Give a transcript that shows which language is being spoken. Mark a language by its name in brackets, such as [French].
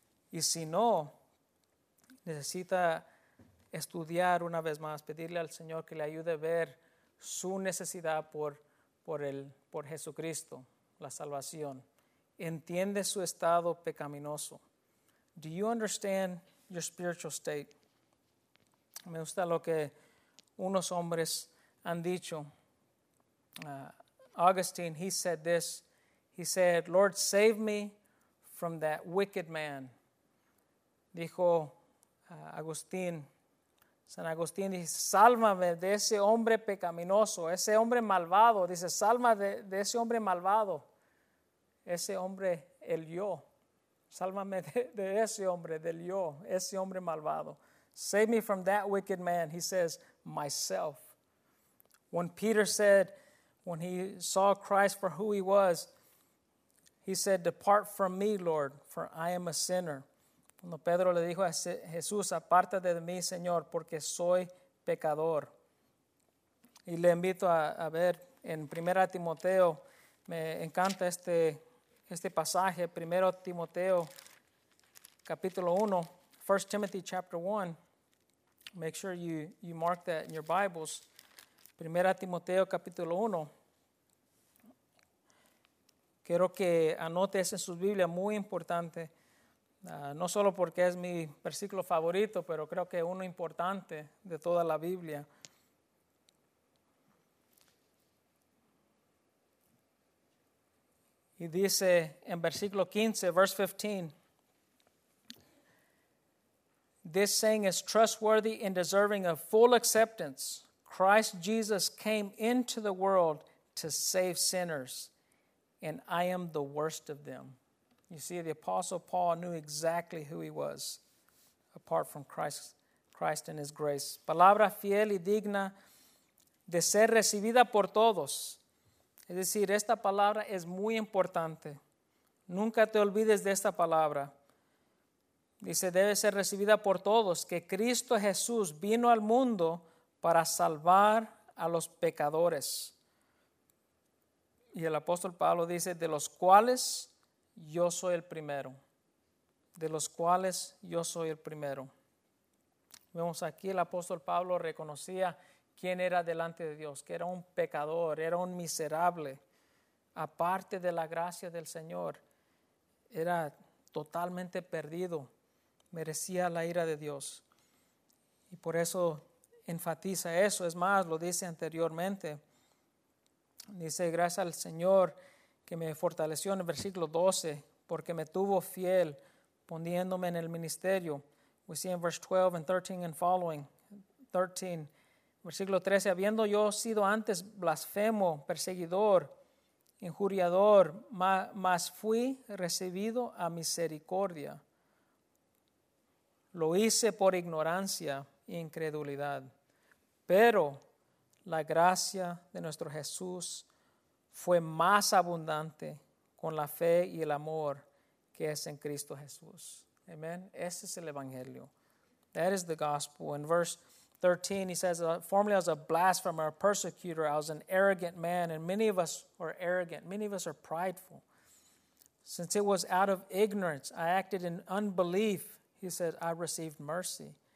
[Spanish] Y si no, necesita estudiar una vez más, pedirle al Señor que le ayude a ver su necesidad por Jesucristo, la salvación. Entiende su estado pecaminoso. [English] Do you understand your spiritual state? [Spanish] Me gusta lo que unos hombres han dicho. [English] Augustine, he said this. He said, Lord, save me from that wicked man. [Spanish] Dijo Agustín, San Agustín, dice, sálvame de ese hombre pecaminoso, ese hombre malvado. Dice, sálvame de ese hombre malvado, ese hombre, el yo. Sálvame de ese hombre, del yo, ese hombre malvado. [English] Save me from that wicked man, he says, myself. When Peter said, when he saw Christ for who he was, he said, depart from me, Lord, for I am a sinner. [Spanish] Cuando Pedro le dijo a Jesús, apártate de mí, Señor, porque soy pecador. Y le invito a ver en 1 Timoteo, me encanta este pasaje, 1 Timoteo capítulo 1, [English] 1 Timothy chapter 1. Make sure you mark that in your Bibles. [Spanish] 1 Timoteo capítulo 1. Quiero que anotes en sus Biblias, muy importante. No solo porque es mi versículo favorito, pero creo que uno importante de toda la Biblia. Y dice en versículo 15, [English] verse 15. This saying is trustworthy and deserving of full acceptance. Christ Jesus came into the world to save sinners, and I am the worst of them. You see, the Apostle Paul knew exactly who he was, apart from Christ and his grace. [Spanish] Palabra fiel y digna de ser recibida por todos. Es decir, esta palabra es muy importante. Nunca te olvides de esta palabra. Dice, debe ser recibida por todos, que Cristo Jesús vino al mundo para salvar a los pecadores. Y el apóstol Pablo dice, de los cuales yo soy el primero, de los cuales yo soy el primero. Vemos aquí el apóstol Pablo reconocía quién era delante de Dios, que era un pecador, era un miserable. Aparte de la gracia del Señor, era totalmente perdido, merecía la ira de Dios. Y por eso enfatiza eso, es más, lo dice anteriormente. Dice, gracias al Señor que me fortaleció en el versículo 12, porque me tuvo fiel poniéndome en el ministerio. [English] We see in verse 12 and 13 and following. [Spanish] 13, versículo 13, habiendo yo sido antes blasfemo, perseguidor, injuriador, mas fui recibido a misericordia. Lo hice por ignorancia e incredulidad. Pero la gracia de nuestro Jesús fue más abundante con la fe y el amor que es en Cristo Jesús. Amen. Ese es el evangelio. [English] That is the gospel. In verse 13, he says, formerly I was a blasphemer, a persecutor, I was an arrogant man, and many of us are arrogant, many of us are prideful. Since it was out of ignorance, I acted in unbelief, he says, I received mercy.